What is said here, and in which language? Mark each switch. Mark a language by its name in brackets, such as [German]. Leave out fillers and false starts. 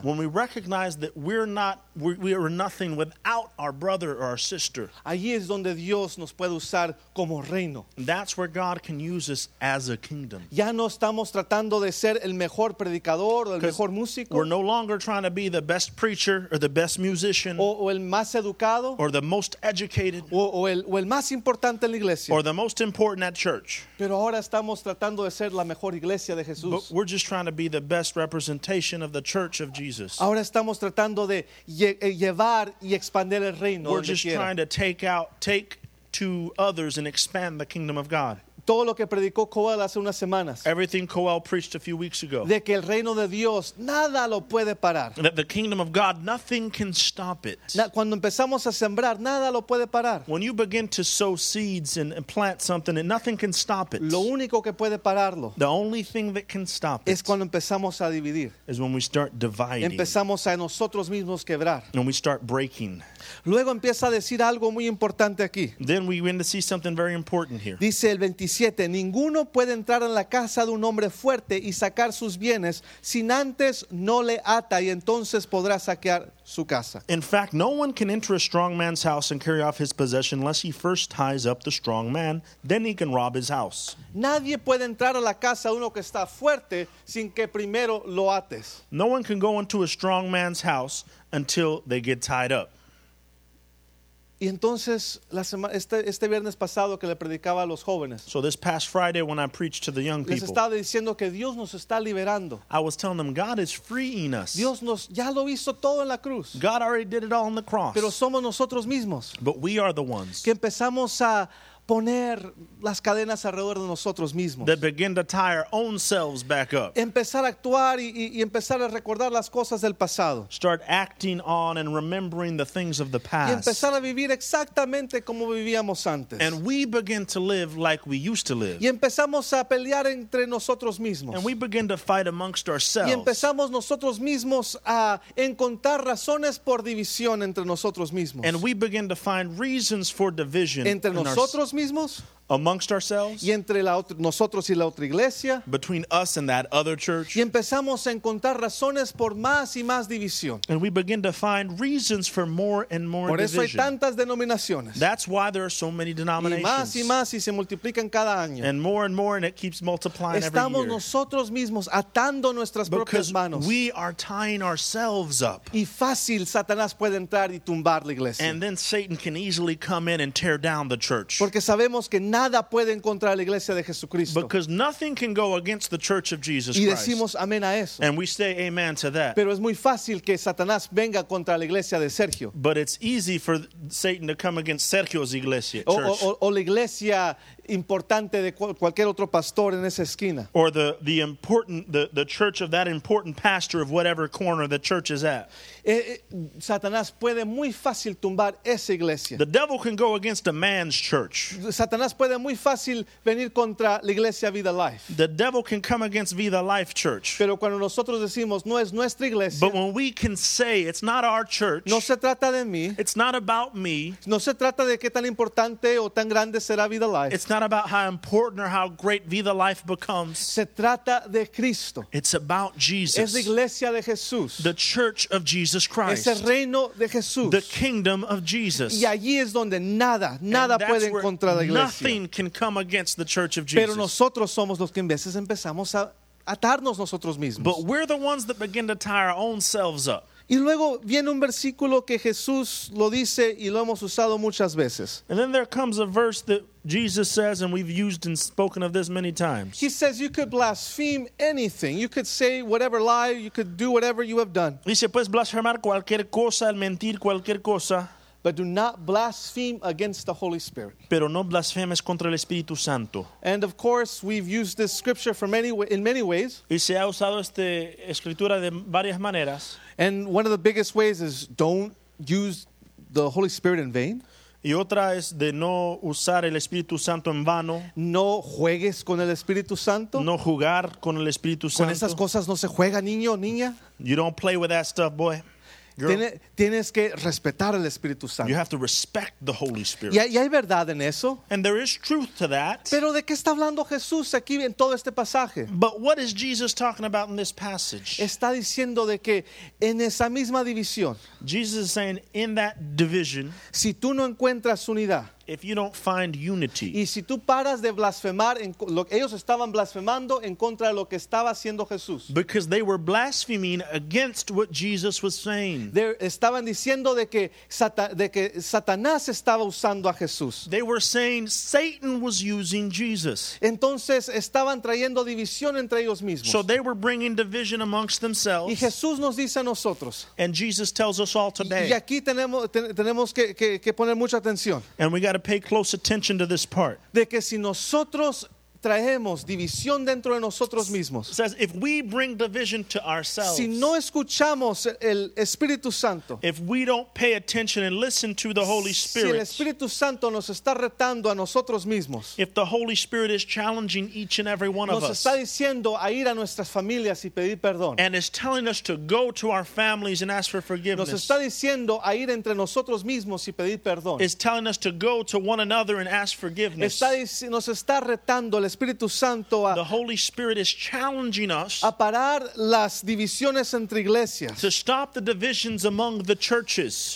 [English] When we recognize that we are nothing without our brother or our sister. [Spanish] Allí es donde Dios nos puede usar como reino. [English] That's where God can use us as a kingdom. [Spanish] Ya no estamos tratando de ser el mejor predicador o el mejor músico. [English] We're no longer trying to be the best preacher or the best musician. [Spanish] O el más educado. [English] Or the most educated. [Spanish] O el más importante en la iglesia. [English] Or the most important at church. [Spanish] Pero ahora estamos tratando de ser la mejor iglesia. [English] But we're just trying to be the best representation of the church of Jesus. [Spanish] Ahora estamos tratando de llevar y expandir el reino. [English] We're just trying to take to others and expand the kingdom of God. [Spanish] Todo lo que predicó Coel hace unas semanas. [English] Everything Coel preached a few weeks ago. [Spanish] De que el reino de Dios nada lo puede parar. [English] That the kingdom of God, nothing can stop it. [Spanish] Cuando empezamos a sembrar, nada lo puede parar. [English] When you begin to sow seeds and plant something, and nothing can stop it. [Spanish] Lo único que puede pararlo. [English] The only thing that can stop it. [Spanish] Es cuando empezamos a dividir. [English] Is when we start dividing. [Spanish] Empezamos a nosotros mismos quebrar. [English] When we start breaking. [Spanish] Luego empieza a decir algo muy importante aquí. [English] Then we begin to see something very important here. [Spanish] Dice el 25. [English] 17, ninguno puede entrar en la casa de un hombre fuerte y sacar sus bienes sin antes no le ata y entonces podrá saquear su casa. [Spanish] In fact, no one can enter a strong man's house and carry off his possession unless he first ties up the strong man, then he can rob his house. [English] Nadie puede entrar a la casa de uno que está fuerte sin que primero lo ates. [Spanish] No one can go into a strong man's house until they get tied up. [English] Y entonces, este viernes pasado que le predicaba a los jóvenes. [Spanish] So this past Friday when I preached to the young people. [English] Les estaba diciendo que Dios nos está liberando. [Spanish] I was telling them God is freeing us. [English] Dios nos ya lo hizo todo en la cruz. [Spanish] God already did it all on the cross. [English] Pero somos nosotros mismos. [Spanish] But we are the ones. [English] Que empezamos a poner las cadenas alrededor de nosotros mismos. [Spanish] That begin to tie our own selves back up. [English] Empezar a actuar y empezar a recordar las cosas del pasado. [Spanish] Start acting on and remembering the things of the past. [English] Y empezar a vivir exactamente como vivíamos antes. [Spanish] And we begin to live like we used to live. [English] Y empezamos a pelear entre nosotros mismos. [Spanish] And we begin to fight amongst ourselves. [English] Y empezamos nosotros mismos a encontrar razones por división entre nosotros mismos. [Spanish] And we begin to find reasons for division [English] entre nosotros mismos, [Spanish] amongst ourselves, [English] y entre la otra, nosotros y la otra iglesia, [Spanish] between us and that other church, [English] y empezamos a encontrar razones por más y más división, [Spanish] and we begin to find reasons for more and more [English] por eso [Spanish] division. [English] Hay tantas denominaciones. [Spanish] That's why there are so many denominations. [English] Y más y se multiplican cada año. [Spanish] And more and more, and it keeps multiplying. [English] Estamos [Spanish] every year. [English] Nosotros mismos atando nuestras [Spanish] because [English] propias manos. [Spanish] We are tying ourselves up. [English] Y fácil Satanás puede entrar y tumbar la iglesia. [Spanish] And then Satan can easily come in and tear down the church. [English] Porque sabemos que nada puede encontrar la iglesia de Jesucristo. [Spanish] Because nothing can go against the church of Jesus [English] Christ. Y decimos amén a eso. [Spanish] And we say amen to that. [English] Pero es muy fácil que Satanás venga contra la iglesia de Sergio. [Spanish] But it's easy for Satan to come against Sergio's iglesia, [English] church. [Spanish] O la iglesia importante de cualquier otro pastor en esa esquina. [English] Or the church of that important pastor of whatever corner the church is at. [Spanish] Satanás puede muy fácil tumbar esa iglesia. [English] The devil can go against a man's church. [Spanish] Satanás puede muy fácil venir contra la iglesia Vida Life. [English] The devil can come against Vida Life Church. [Spanish] Pero cuando nosotros decimos no es nuestra iglesia. [English] But when we can say it's not our church. [Spanish] No se trata de mí. [English] It's not about me. [Spanish] No se trata de qué tan importante o tan grande será Vida Life. [English] It's not about how important or how great Vida Life becomes. [Spanish] Se trata de Cristo. [English] It's about Jesus. [Spanish] Es la iglesia de Jesús. [English] The church of Jesus Christ. [Spanish] Es el reino de Jesús. [English] The kingdom of Jesus. [Spanish] Y allí es donde nada puede encontrar la iglesia. [English] Nothing can come against the church of Jesus. [Spanish] Pero nosotros somos los que en veces empezamos a atarnos nosotros mismos. [English] But we're the ones that begin to tie our own selves up. [Spanish] Y luego viene un versículo que Jesús lo dice y lo hemos usado muchas veces. [English] And then there comes a verse that Jesus says, and we've used and spoken of this many times. [Spanish] He says you could blaspheme anything. [English] You could say whatever lie, you could do whatever you have done. [Spanish] Dice, puedes blasfemar cualquier cosa, el mentir cualquier cosa. [English] But do not blaspheme against the Holy Spirit. [Spanish] Pero no blasfemes contra el Espíritu Santo. [English] And of course, we've used this scripture in many ways. [Spanish] Y se ha usado esta escritura de varias maneras. [English] And one of the biggest ways is don't use the Holy Spirit in vain. [Spanish] Y otra es de no usar el Espíritu Santo en vano. No juegues con el Espíritu Santo. No jugar con el Espíritu Santo. Con esas cosas no se juega, niño o niña. [English] You don't play with that stuff, boy. [Spanish] Tienes que respetar al Espíritu Santo. [English] You have to respect the Holy Spirit. [Spanish] Y hay verdad en eso. [English] And there is truth to that. [Spanish] Pero ¿de qué está hablando Jesús aquí en todo este pasaje? [English] But what is Jesus talking about in this passage? [Spanish] Está diciendo de que en esa misma división. [English] Jesus is saying in that division. [Spanish] Si tú no encuentras unidad. [English] If you don't find unity. [Spanish] Y si tú paras de blasfemar ellos estaban blasfemando en contra de lo que estaba haciendo Jesús. [English] Because they were blaspheming against what Jesus was saying. [Spanish] Estaban diciendo de que Satanás estaba usando a Jesús. [English] They were saying Satan was using Jesus. [Spanish] Entonces estaban trayendo división entre ellos mismos. [English] So they were bringing division amongst themselves. [Spanish] Y Jesús nos dice a nosotros. [English] And Jesus tells us all today. [Spanish] Y aquí tenemos que poner mucha atención. [English] And we got to pay close attention to this part. [Spanish] De que si nosotros traemos división dentro de nosotros mismos, [English] says if we bring division to ourselves, [Spanish] si no escuchamos el Espíritu Santo, [English] if we don't pay attention and listen to the Holy Spirit, [Spanish] si el Espíritu Santo nos está retando a nosotros mismos, [English] if the Holy Spirit is challenging each and every one of us, [Spanish] nos está diciendo a ir a nuestras familias y pedir perdón, [English] and is telling us to go to our families and ask for forgiveness, [Spanish] nos está diciendo a ir entre nosotros mismos y pedir perdón, [English] is telling us to go to one another and ask forgiveness, [Spanish] nos está retando el Espíritu Santo a, [English] the Holy Spirit is challenging us, [Spanish] a parar las divisiones entre iglesias, [English] to stop the divisions among the churches.